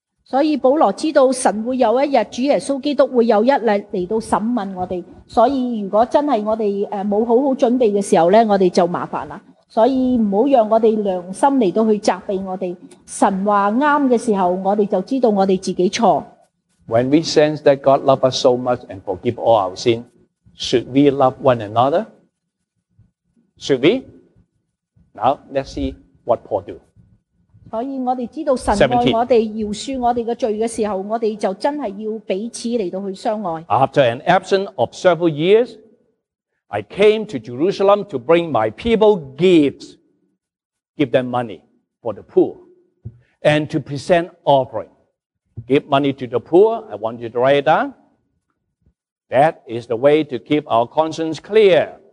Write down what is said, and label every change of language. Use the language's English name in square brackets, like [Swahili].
[Cantonese] 所以保罗知道神会有一日，主耶稣基督会有一日嚟到审问我哋。所以如果真系我哋冇好好准备嘅时候咧，我哋就麻烦啦。所以唔好让我哋良心嚟到去责备我哋。神话啱嘅时候，我哋就知道我哋自己错。 [English] When we sense that God love us so much and forgive all our sin, should we love one another? Should we? Now let's see what Paul do. [Cantonese] 所以我哋知道神爱我哋，饶恕我哋嘅罪嘅时候，我哋就真系要彼此嚟到去相爱。 [English] After an absence of several years, I came to Jerusalem to bring my people gifts, give them money for the poor, and to present offering. Give money to the poor. I want you to write it down. That is the way to keep our conscience clear.